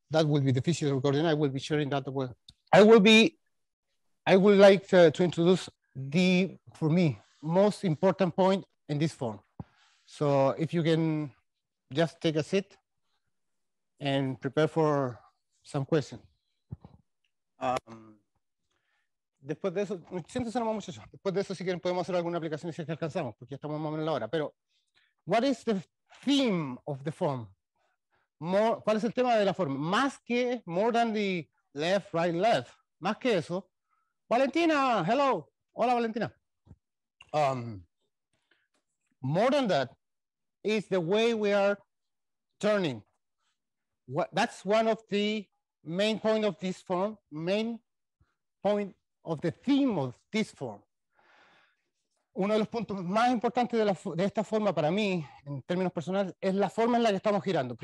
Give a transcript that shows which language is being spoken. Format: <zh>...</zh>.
<en>That will be the official recording. I will be sharing that as well. I would like to introduce the, for me, most important point in this form. So if you can just take a seat and prepare for some questions.</en> <es>Después de eso, siéntese nomás, muchachos. Después de eso, si quieren, podemos hacer alguna aplicación si es que alcanzamos, porque ya estamos más o menos en la hora. Pero,</es> <en>what is the theme of the form?</en> <es>¿Cuál es el tema de la forma? Más que,</es> <en>more than the left, right, left.</en> <es>Más que eso.</es> <en>Valentina, hello.</en> <es>Hola,</es> <en>Valentina. More than that, is the way we are turning. That's one of the main point of this form, main point of the theme of this form.</en> <es>Uno de los puntos más importantes de esta forma para mí, en términos personales, es la forma en la que estamos girando.</es>